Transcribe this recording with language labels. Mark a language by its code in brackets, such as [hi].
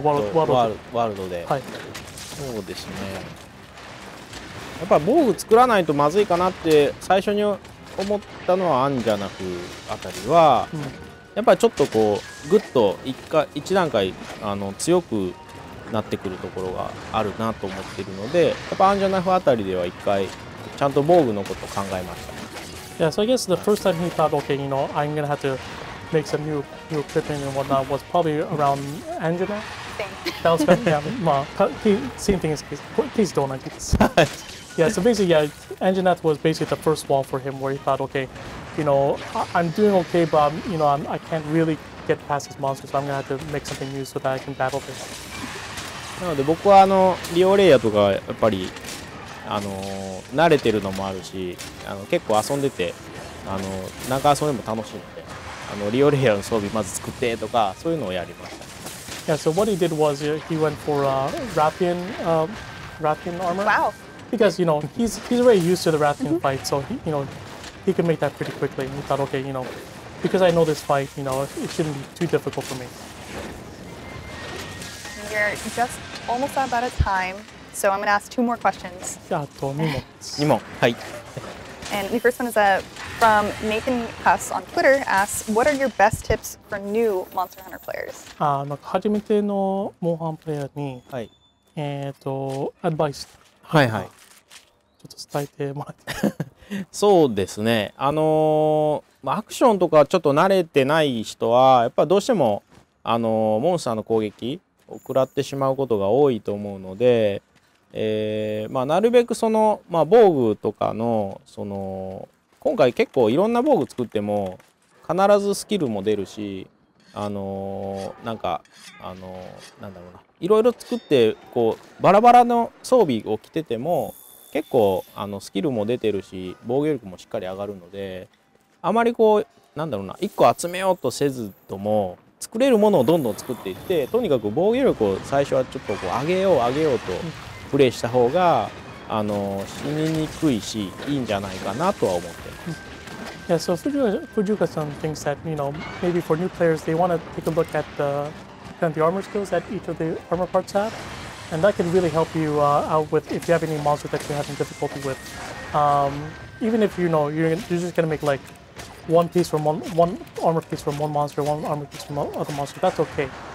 [ja] ワールドで、そうですね、やっぱり防具作らないとまずいかなって最初に思ったのはアンジャナフあたりは、やっぱりちょっとこうグッと一段階強くなってくるところがあるなと思っているので、やっぱアンジャナフあたりでは一回ちゃんと防具のことを考えました。 [en] Yeah, so I guess the first time he thought, okay, you know, I'm gonna have toMake some new equipment and whatnot was probably around Angela. That was kind of, same thing as Keith. Please don't, I guess. Yeah, so basically, yeah, Angela was basically the first wall for him where he thought, okay, you know, I'm doing okay, but, you know, I can't really get past this monster, so I'm going to have to make something new so that I can battle this. [ja] なので僕はリオレイヤーとかやっぱり慣れてるのもあるし、結構遊んでて、長遊びも楽しいので。リオレイヤーの装備まず作ってとかそういうのをやりました。 [en] Yeah, so what he did was he went for Rathian armor. Wow. Because, you know, he's already used to the Rathian fight, so he, you know, he could make that pretty quickly. And he thought, okay, you know, because I know this fight, you know, it shouldn't be too difficult for me. We're just almost out of time, so I'm gonna ask two more questions. [ja] あと2問。 2問、はい。 [en] And the first one is a from Nathan Huss on Twitter asks, what are your best tips for new Monster Hunter players? [ja] 初めてのモンハンプレイヤーに、はい、アドバイス、はいはい、ちょっと伝えてもらってそうですね、アクションとかちょっと慣れてない人はやっぱどうしても、モンスターの攻撃を食らってしまうことが多いと思うので、なるべくその、防具とかの、その今回結構いろんな防具作っても必ずスキルも出るし、なんか、なんだろうな、いろいろ作ってこうバラバラの装備を着てても結構スキルも出てるし防御力もしっかり上がるので、あまりこうなんだろうな、一個集めようとせずとも作れるものをどんどん作っていって、とにかく防御力を最初はちょっとこう上げよう上げようとプレイした方が死ににくいしいいんじゃないかなとは思ってます。 [en] Yeah, so Fujuka-san thinks that, you know, maybe for new players, they want to take a look at the, kind of the armor skills that each of the armor parts have. And that can really help you out with if you have any monster that you're having difficulty with. Even if, you know, you're just going to make like one piece from one armor piece from one monster, one armor piece from another monster, that's okay.